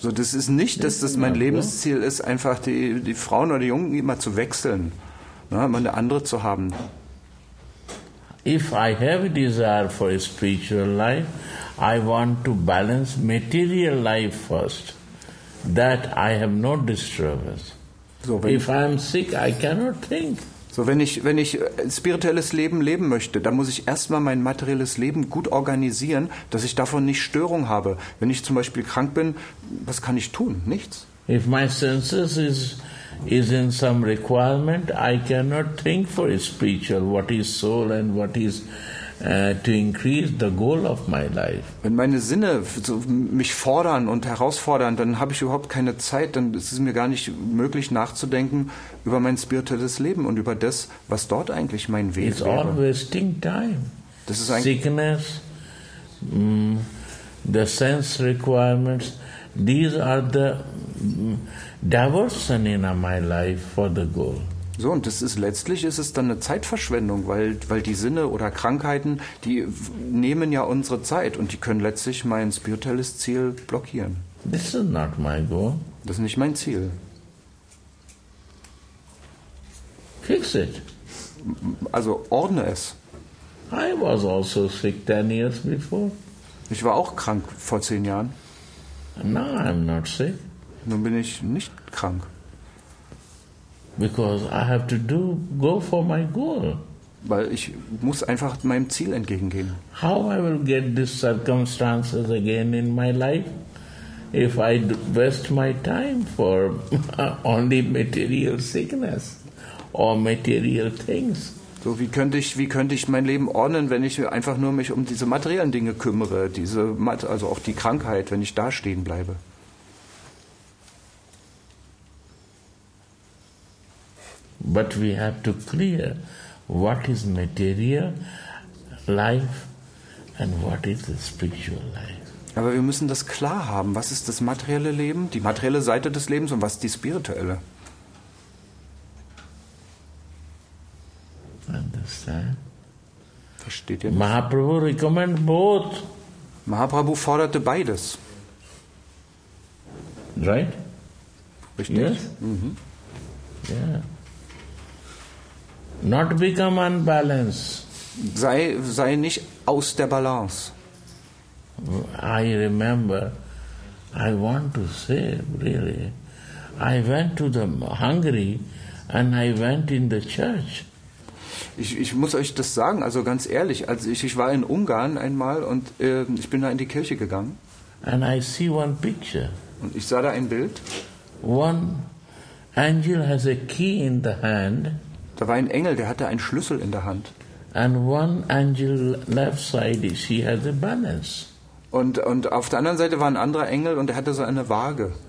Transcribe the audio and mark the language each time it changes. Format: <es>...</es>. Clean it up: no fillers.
<de>So, das ist nicht, dass das mein Lebensziel ist, einfach die Frauen oder die Jungen immer zu wechseln, ne, immer eine andere zu haben.</de> <en>If I have a desire for a spiritual life, I want to balance material life first, that I have no disturbance. So, if I am sick, I cannot think.</en> <de>So, wenn ich spirituelles Leben leben möchte, dann muss ich erstmal mein materielles Leben gut organisieren, dass ich davon nicht Störung habe. Wenn ich zum Beispiel krank bin, was kann ich tun? Nichts.</de> <en>If my senses is in some requirement, I cannot think for a spiritual, what is soul and what is to increase the goal of my life.</en> <de>Wenn meine Sinne so mich fordern und herausfordern, dann habe ich überhaupt keine Zeit, dann ist es mir gar nicht möglich nachzudenken über mein spirituelles Leben und über das, was dort eigentlich mein Weg ist.</de> <en>It's all wasting time.</en> <de>Das ist ein</de> <en>Sickness, the sense requirements, these are the diversion in my life for the goal.</en> <de>So, und das ist, letztlich ist es dann eine Zeitverschwendung, weil die Sinne oder Krankheiten, die nehmen ja unsere Zeit und die können letztlich mein spirituelles Ziel blockieren.</de> <en>This is not my goal.</en> <de>Das ist nicht mein Ziel.</de> <en>Fix it.</en> <de>Also ordne es.</de> <en>I was also sick 10 years before.</en> <de>Ich war auch krank vor 10 Jahren.</de> <en>Now I'm not sick.</en> <de>Nun bin ich nicht krank.</de> <en>Because I have to go for my goal.</en> <de>Weil ich muss einfach meinem Ziel entgegengehen.</de> <en>How I will get these circumstances again in my life if I waste my time for only material sickness or material things?</en> <de>So, wie könnte ich mein Leben ordnen, wenn ich einfach nur mich um diese materiellen Dinge kümmere, also auch die Krankheit, wenn ich da stehen bleibe?</de> <en>But we have to clear what is material life and what is the spiritual life.</en> <de>Aber wir müssen das klar haben. Was ist das materielle Leben, die materielle Seite des Lebens und was die spirituelle?</de> <en>Understand?</en> <de>Versteht ihr das?</de> <en>Mahaprabhu recommend both.</en> <de>Mahaprabhu forderte beides.</de> <en>Right?</en> <de>Richtig?</de> <en>Yes? Mm-hmm. Yeah. Not become unbalanced.</en> <de>Sei nicht aus der Balance.</de> <en>I remember, I want to say, really, I went to the Hungary and I went in the church.</en> <de>Ich muss euch das sagen, also ganz ehrlich, also ich war in Ungarn einmal und ich bin da in die Kirche gegangen.</de> <en>And I see one picture.</en> <de>Und ich sah da ein Bild.</de> <en>One angel has a key in the hand.</en> <de>Da war ein Engel, der hatte einen Schlüssel in der Hand.</de> <en>And one angel left side is he has a balance.</en> <de>Und auf der anderen Seite war ein anderer Engel und er hatte so eine Waage.</de>